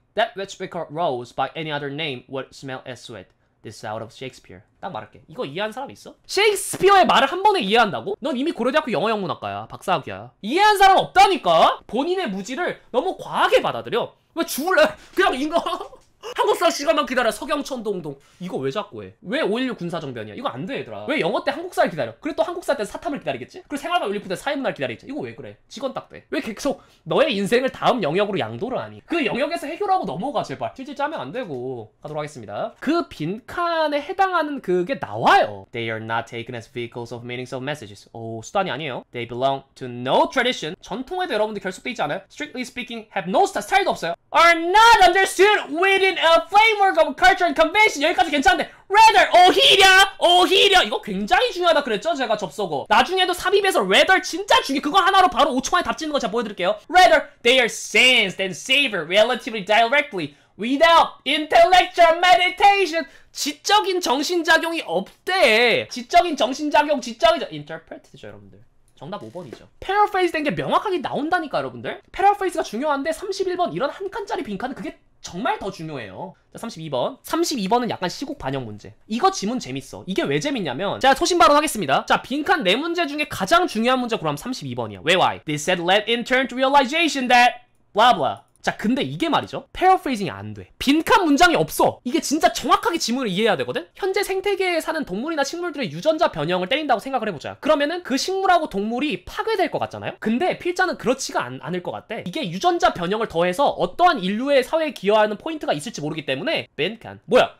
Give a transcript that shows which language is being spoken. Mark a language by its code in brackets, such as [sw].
[en] That which we call rose by any other name would smell as sweet. This is out of Shakespeare. [ko] 딱 말할게. 이거 이해한 사람 있어? 셰익스피어의 말을 한 번에 이해한다고? 넌 이미 고려대학교 영어영문학과야. 박사학위야. 이해한 사람 없다니까? 본인의 무지를 너무 과하게 받아들여. 왜 죽을래? 그냥 이거... 한국사 시간만 기다려. 석영천동동. 이거 왜 자꾸 해? 왜 5.16 군사정변이야? 이거 안 돼, 얘들아. 왜 영어 때 한국사를 기다려? 그래 또 한국사 때 사탐을 기다리겠지? 그리고 생활과 윤리부 때 사회문화를 기다리겠지? 이거 왜 그래? 직원 딱 돼. 왜 계속 너의 인생을 다음 영역으로 양도를 하니? 그 영역에서 해결하고 넘어가, 제발. 질질 짜면 안 되고. 가도록 하겠습니다. 그 빈칸에 해당하는 그게 나와요. [en] They are not taken as vehicles of meanings of messages. [ko] 오, 수단이 아니에요. [en] They belong to no tradition. [ko] 전통에도 여러분들 결속돼 있지 않아요? [en] Strictly speaking, have no style. [ko] 스타일도 없어요. [en] Are not understood within a framework of culture and convention. [ko] 여기까지 괜찮은데 rather 오히려 오히려 이거 굉장히 중요하다 그랬죠. 제가 접속어 나중에도 삽입에서 rather 진짜 중요해. 그거 하나로 바로 5초 만에 답 짓는 거 제가 보여드릴게요. [en] Rather they are sense than savor relatively directly without intellectual meditation. [ko] 지적인 정신작용이 없대. 지적인 정신작용 지적이죠. Interpreted죠 여러분들. 정답 5번이죠. 패러프레이즈 된 게 명확하게 나온다니까 여러분들. 패러프레이즈가 중요한데 31번 이런 한 칸짜리 빈칸은 그게 정말 더 중요해요. 자, 32번. 32번은 약간 시국 반영 문제. 이거 지문 재밌어. 이게 왜 재밌냐면 자, 소신 발언하겠습니다. 자, 빈칸 네 문제 중에 가장 중요한 문제 고르면 32번이야. 왜 why? [en] This had led in turn to realization that blah blah. [ko] 자, 근데 이게 말이죠. 패러프레이징이 안 돼. 빈칸 문장이 없어. 이게 진짜 정확하게 지문을 이해해야 되거든? 현재 생태계에 사는 동물이나 식물들의 유전자 변형을 때린다고 생각을 해보자. 그러면은 그 식물하고 동물이 파괴될 것 같잖아요? 근데 필자는 그렇지가 않을 것 같대. 이게 유전자 변형을 더해서 어떠한 인류의 사회에 기여하는 포인트가 있을지 모르기 때문에 빈칸. 뭐야?